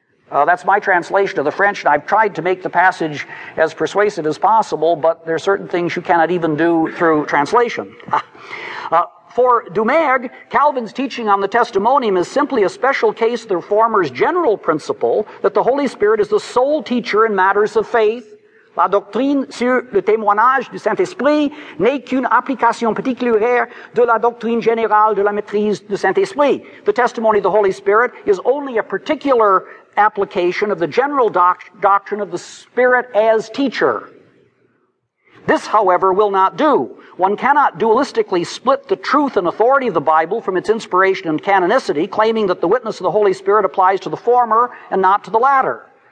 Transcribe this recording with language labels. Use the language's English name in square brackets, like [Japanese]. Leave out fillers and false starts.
[English] That's my translation of the French, and I've tried to make the passage as persuasive as possible, but there are certain things you cannot even do through translation. For Dumaeg, Calvin's teaching on the testimonium is simply a special case of the Reformer's general principle that the Holy Spirit is the sole teacher in matters of faith. [French] La doctrine sur le témoignage du Saint-Esprit n'est qu'une application particulière de la doctrine générale de la maîtrise du Saint-Esprit. [English] The testimony of the Holy Spirit is only a particular application of the general doctrine of the Spirit as teacher. This, however, will not do. One cannot dualistically split the truth and authority of the Bible from its inspiration and canonicity, claiming that the witness of the Holy Spirit applies to the former and not to the latter.